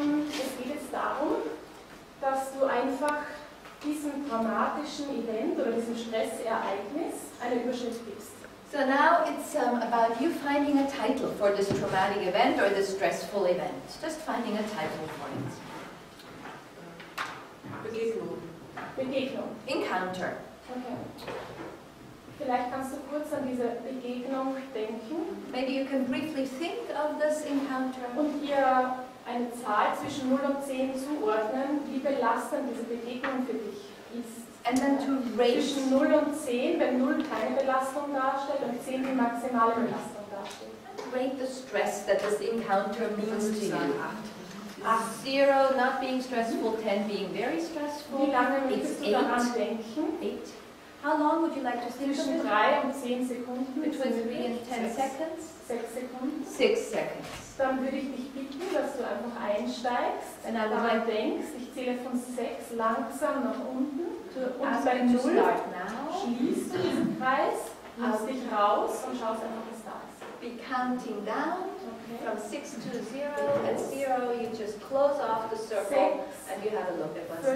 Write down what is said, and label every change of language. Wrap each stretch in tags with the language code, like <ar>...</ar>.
<de>Es geht jetzt darum, dass du einfach diesem dramatischen Event oder diesem Stressereignis eine Überschrift gibst.</de> <en>So now it's about you finding a title for this traumatic event or this stressful event. Just finding a title for it.</en> <de>Begegnung.</de> <en>Encounter. Okay.</en> <de>Vielleicht kannst du kurz an diese Begegnung denken.</de> <en>Maybe you can briefly think of this encounter.</en> <de>Und hier eine Zahl zwischen 0 und 10 zuordnen, wie belastend diese Begegnung für dich ist.</de> <en>And then to rate.</en> <de>Zwischen 0 und 10, wenn 0 keine Belastung darstellt und 10 die maximale Belastung darstellt.</de> <en>And rate the stress that this encounter means to you. 8. 0 not being stressful, 10 being very stressful.</en> <de>Wie lange möchtest du daran denken?</de> <en>8. How long would you like to think?</en> <de>Zwischen 3 und 10 Sekunden.</de> <en>Between 3 and 10 seconds.</en> <de>6 Sekunden.</de> <en>6 seconds.</en> <de>Dann würde ich dich bitten, dass du einfach einsteigst, wenn du daran denkst, ich zähle von 6 langsam nach unten und bei 0 schließt du diesen Kreis, nimmst dich raus und schaust einfach, was da ist.</de> <en>Be counting down from 6 to 0, at 0 you just close off the circle and you have a look at what's there.</en>